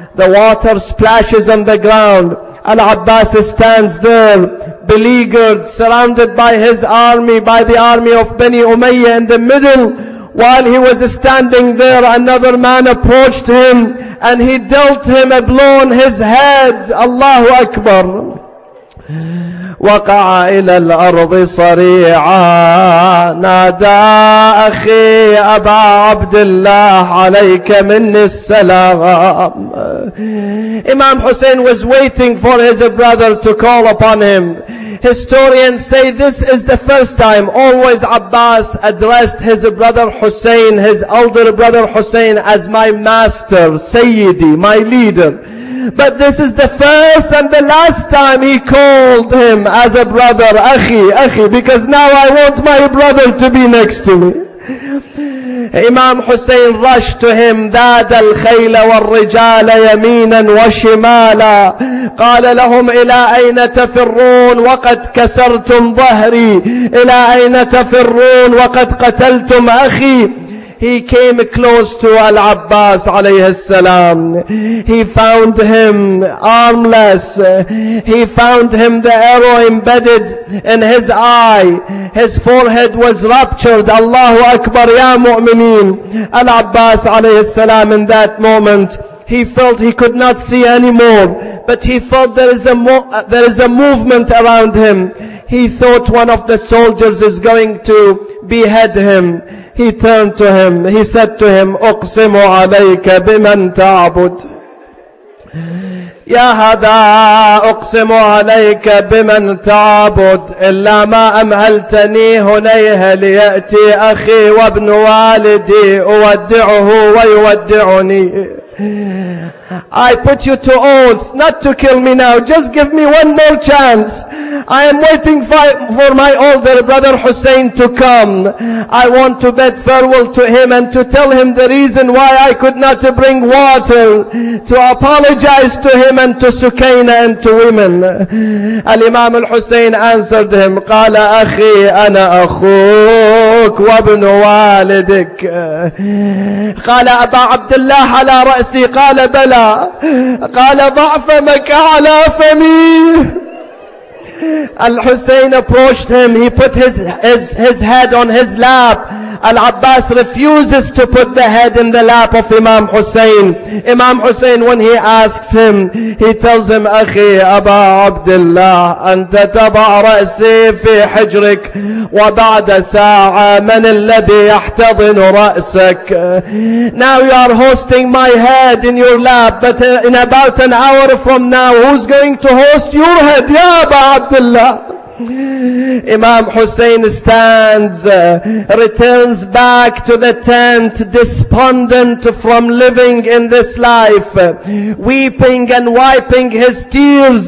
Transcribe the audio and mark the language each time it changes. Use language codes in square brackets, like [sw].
[en] The water splashes on the ground. Al-Abbas stands there, beleaguered, surrounded by his army, by the army of Bani Umayyah in the middle. While he was standing there, another man approached him and he dealt him a blow on his head. Allahu Akbar. [ar] وقع إلى الأرض صريعا نادى أخي أبا عبد الله عليك من السلام. [en] Imam Hussein was waiting for his brother to call upon him. Historians say this is the first time always Abbas addressed his brother Hussein, his elder brother Hussein, as my master, Sayyidi, my leader. But this is the first and the last time he called him as a brother, Akhi, Akhi, because now I want my brother to be next to me. Imam Hussein rushed to him, [ar] ذاد الخيل والرجال يمينا وشمالا قال لهم إلى أين تفرون وقد كسرتم ظهري إلى أين تفرون وقد قتلتم أخي. [en] He came close to Al-Abbas alayhi salam. He found him armless. He found him the arrow embedded in his eye. His forehead was ruptured. Allahu Akbar ya mu'mineen. Al-Abbas alayhi salam, in that moment, he felt he could not see anymore. But he felt there is a movement around him. He thought one of the soldiers is going to behead him. He turned to him. He said to him, [ar] أقسم عليك بمن تعبد. يا هذا أقسم عليك بمن تعبد. إلا ما أمهلتني هنيه ليأتي أخي وابن والدي أودعه ويودعني. [en] I put you to oath not to kill me now. Just give me one more chance. I am waiting for my older brother Hussein to come. I want to bid farewell to him and to tell him the reason why I could not bring water, to apologize to him and to Sukaina and to women. Al-Imam al-Hussein answered him, [ar] قال أخي أنا أخوك وابن والدك. قال أبا عبد الله على رأسي قال بلى قال ضع فمك على فمي. [en] Al-Hussein approached him. He put his head on his lap. Al-Abbas refuses to put the head in the lap of Imam Hussein. Imam Hussein, when he asks him, he tells him, [ar] أخي أبا عبد الله أنت تضع رأسي في حجرك وبعد ساعة من الذي يحتضن رأسك. [en] Now you are hosting my head in your lap, but in about an hour from now, who's going to host your head? [ar] يا أبا عبد الله. [en] Imam Hussein stands, returns back to the tent, despondent from living in this life, weeping and wiping his tears.